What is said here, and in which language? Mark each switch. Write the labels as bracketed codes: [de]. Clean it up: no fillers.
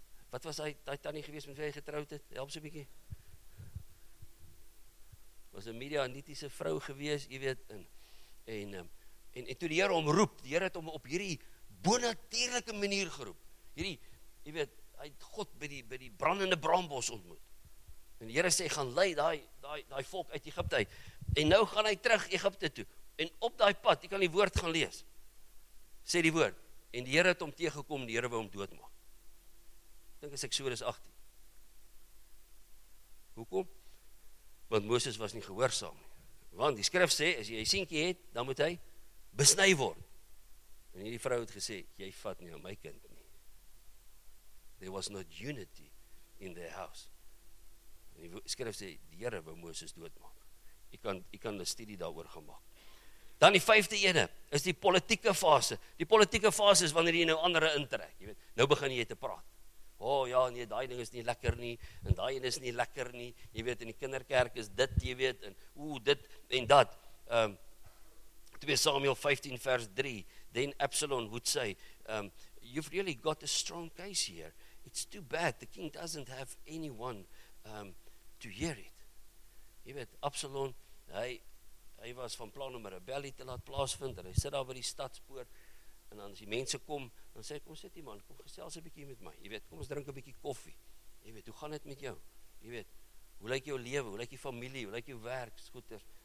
[af] Wat was hy tannie gewees met wie hy getroud het? Help so 'n bietjie. Was 'n Midianitiese vrou gewees, jy weet, en toe die Here hom roep, die Here het hom op hierdie bonatuurlike manier geroep. Hierdie, jy weet, hy het God by die brandende brambos ontmoet. En die Here sê, gaan lei daai volk uit Egipte uit. En nou gaan hy terug Egipte toe. En op daai pad, jy kan die woord gaan lees. Sê die woord. En die Here het hom teëgekom, die Here wou hom doodmaak. Dink as Eksodus 18. Hoekom? Want Moses was nie gehoorsaam nie. Want die skrif sê, as jy 'n seentjie het, dan moet hy besny word. En hierdie vrou het gesê, jy vat nie aan my kind nie. [en] There was not unity in their house. [af] En die skrif sê, die Here wou Moses doodmaak. Jy kan 'n studie daaroor gaan maak. Dan die vyfde ene, is die politieke fase. Die politieke fase is wanneer jy nou ander intrek. Jy weet, nou begin jy te praat. O, ja, nee, daai ding is nie lekker nie, en daai een is nie lekker nie, jy weet, in die kinderkerk is dit, jy weet, en dit en dat. [en] 2 Samuel 15 vers 3, then Absalom would say, you've really got a strong case here, it's too bad, the king doesn't have anyone to hear it. [af] Jy weet, Absalom, hy was van plan om 'n rebellie te laat plaasvind, en hy sit daar by die stadspoort, en dan as die mense kom, dan sê, kom sit hier man, kom gesels 'n bietjie met my, jy weet, kom ons drink 'n bietjie koffie, jy weet, hoe gaan dit met jou, jy weet, hoe lyk jou lewe, hoe lyk jou familie, hoe lyk jou werk, skoeters,